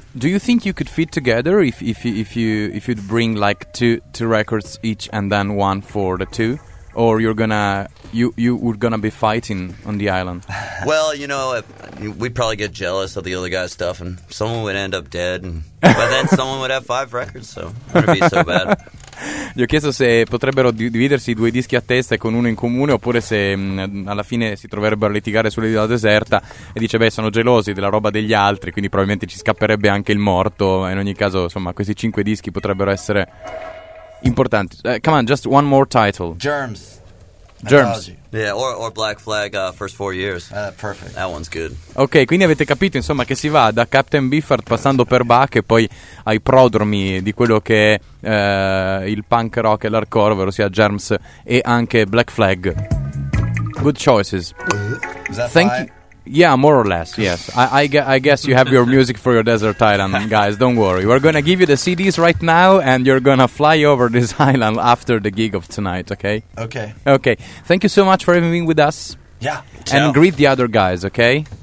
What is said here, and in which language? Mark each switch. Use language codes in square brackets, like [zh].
[en] Do you think you could fit together if you'd bring like two records each and then one for the two, or you're gonna be fighting on the island? Well, you know, we'd probably get jealous of the other guy's stuff, and someone would end up dead, but then someone would have five records, so it wouldn't be so bad. [it] Gli ho chiesto se potrebbero dividersi due dischi a testa e con uno in comune, oppure se alla fine si troverebbero a litigare sull'isola deserta, e dice, beh, sono gelosi della roba degli altri, quindi probabilmente ci scapperebbe anche il morto. In ogni caso, insomma, questi cinque dischi potrebbero essere importanti. [en] Come on, just one more title. Germs. Germs. Yeah, or Black Flag, first 4 years. Perfect. That one's good. [it] Ok, quindi avete capito, insomma, che si va da Captain Beefheart passando per Bach e poi ai prodromi di quello che è il punk rock e l'hardcore, ovvero sia Germs e anche Black Flag. [en] Good choices. Is that Thank five? Yeah, more or less, yes. I guess you have your music for your desert island, guys. Don't worry. We're going to give you the CDs right now, and you're going to fly over this island after the gig of tonight, okay? Okay. Okay. Thank you so much for being with us. Yeah. And greet the other guys, okay?